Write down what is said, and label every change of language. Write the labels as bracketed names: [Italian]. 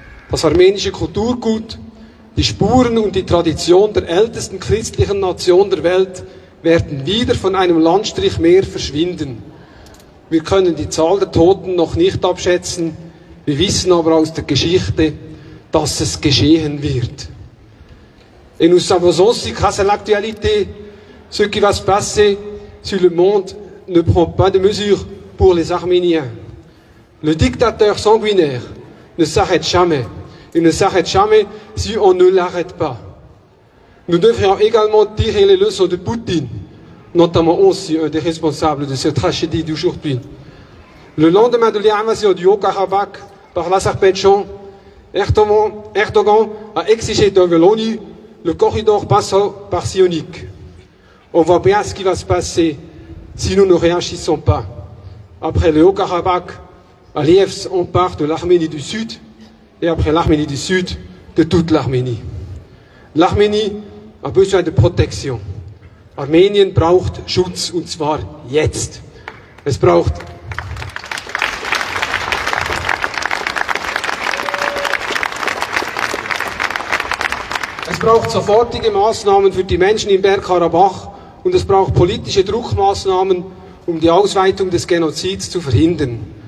[German] Das armenische Kulturgut, die Spuren und die Tradition der ältesten christlichen Nation der Welt werden wieder von einem Landstrich mehr verschwinden. Wir können die Zahl der Toten noch nicht abschätzen, wir wissen aber aus der Geschichte, dass es geschehen wird. [French] Et nous savons aussi grâce à l'actualité, ce qui va se passer sur le monde ne prend pas de mesures pour les Arméniens. Le dictateur sanguinaire ne s'arrête jamais. Il ne s'arrête jamais si on ne l'arrête pas. Nous devrions également tirer les leçons de Poutine, notamment aussi un des responsables de cette tragédie d'aujourd'hui. Le lendemain de l'invasion du Haut-Karabakh par l'Azerbaïdjan, Erdogan a exigé de l'ONU le corridor passant par Sionik. On voit bien ce qui va se passer si nous ne réagissons pas. Après le Haut-Karabakh, Aliyev s'empare de l'Arménie du Sud et après l'Arménie du Sud, de toute l'Arménie. L'Arménie a besoin de protection. [German] Armenien braucht Schutz und zwar jetzt. Es braucht. Es braucht sofortige Maßnahmen für die Menschen in Bergkarabach und es braucht politische Druckmaßnahmen, um die Ausweitung des Genozids zu verhindern.